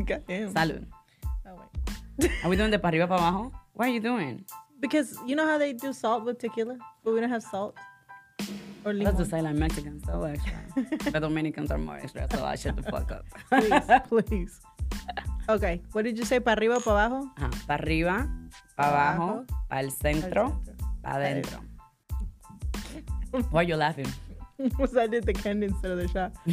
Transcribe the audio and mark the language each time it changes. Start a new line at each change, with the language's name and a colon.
English: Goddamn.
Spanish: Salud.
English: Oh, wait. Are we doing the
Spanish: pa' arriba, pa' abajo?
English: What are you doing? Because you know how they do salt with tequila? But we don't have salt. Or that's the silent Mexicans, so extra. The Dominicans are more extra, so I shut the fuck up. Please, please. Okay, what did you say?
Spanish: Pa' arriba, pa' abajo? Pa' arriba, pa' abajo, pa' el centro, pa' adentro.
English: Why are you laughing? Because I did the candy instead of the shot.